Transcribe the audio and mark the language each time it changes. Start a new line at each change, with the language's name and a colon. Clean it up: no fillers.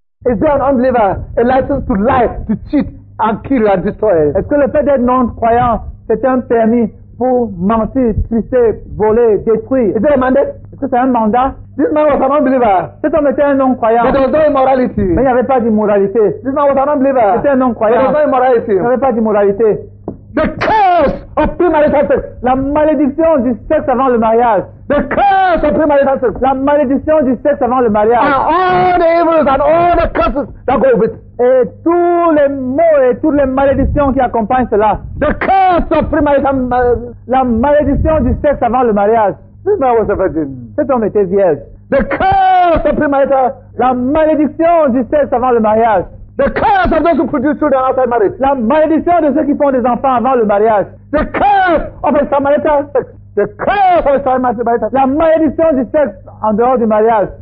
English: Is there an unbeliever a license to lie, to cheat? And kill and destroy.
French: Est-ce que le fait d'être non-croyant, c'est un permis pour mentir, tricher, voler, détruire?
English: Is there a mandate?
French: Est-ce que c'est un mandat?
English: This man was an unbeliever.
French: Cet homme était un non-croyant.
English: But there was no immorality.
French: Mais il n'y avait pas d'immoralité.
English: This man was an unbeliever.
French: C'était un non-croyant.
English: But there was no immorality.
French: Il n'y avait pas d'immoralité.
English: The curse of premarital sex.
French: La malédiction du sexe avant le mariage.
English: The curse of premarital sex.
French: La malédiction du sexe avant le mariage.
English: And all the evils and all the curses that go with it.
French: Et tous les maux et toutes les malédictions qui accompagnent cela.
English: The curse of premarital.
French: La malédiction du sexe avant le mariage.
English: This man was a virgin.
French: Cet homme était vierge.
English: The curse of premarital.
French: La malédiction du sexe avant le mariage.
English: The curse of those who produce children outside marriage.
French: La malédiction de ceux qui font des enfants avant le mariage.
English: The curse of extramarital sex. The curse of extramarital sex.
French: La malédiction du sexe en dehors du mariage.